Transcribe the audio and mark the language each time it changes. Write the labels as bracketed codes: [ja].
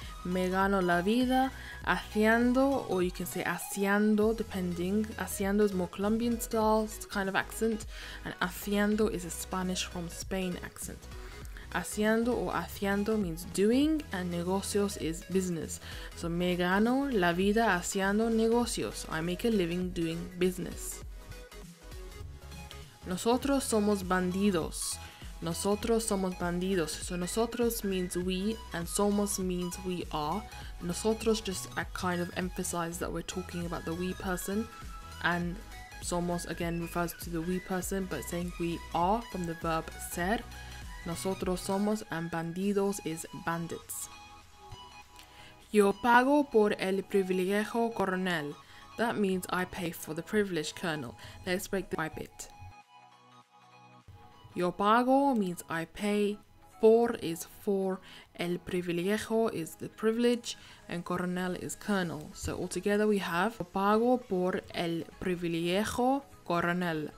[es] Me gano la vida haciendo, [en] or you can say [es] haciendo [en] depending. Haciendo is more Colombian style kind of accent, and haciendo is a Spanish from Spain accent. Haciendo or haciendo means doing, and negocios is business. So [es] me gano la vida haciendo negocios. [en] I make a living doing business. [es] Nosotros somos bandidos. Nosotros somos bandidos. [en] So nosotros means we, and somos means we are. Nosotros just kind of emphasize that we're talking about the we person, and somos again refers to the we person, but saying we are from the verb ser. Nosotros somos, and bandidos is bandits. [es] Yo pago por el privilegio coronel. [en] That means I pay for the privilege, colonel. Let's break this by bit. Yo pago means I pay, por is for, el privilegio is the privilege, and coronel is colonel. So altogether we have, [es] yo pago por el privilegio coronel.